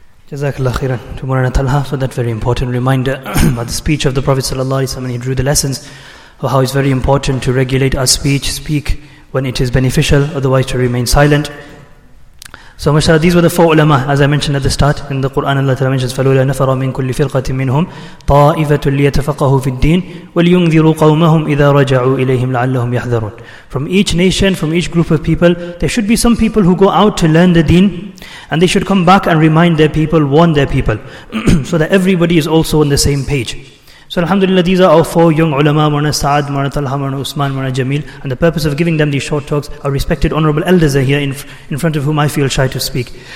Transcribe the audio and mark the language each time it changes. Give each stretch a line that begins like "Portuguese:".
English: Jazakallah khairan to Murana Talha for that very important reminder about the speech of the Prophet sallallahu alayhi wa sallam, and he drew the lessons of how it's very important to regulate our speech, speak when it is beneficial, otherwise to remain silent. So mashallah, these were the four ulama, as I mentioned at the start.
Arabic: In the Quran, Allah Ta'ala mentions, فَلُولَا نَفَرَ مِنْ كُلِّ فِرْقَةٍ مِّنْهُمْ طَائِفَةٌ لِيَتَفَقَهُ فِي الدِّينِ وَلْيُنْذِرُوا قَوْمَهُمْ إِذَا رَجَعُوا إِلَيْهِمْ لَعَلَّهُمْ يَحْذَرُونَ.
English: From each nation, from each group of people, there should be some people who go out to learn the deen, and they should come back and remind their people, warn their people, so that everybody is also on the same page. So alhamdulillah, these are our four young ulama, Murna Sa'ad, Murna Talha, Murna Usman, Murna Jameel. And the purpose of giving them these short talks, our respected honorable elders are here in front of whom I feel shy to speak.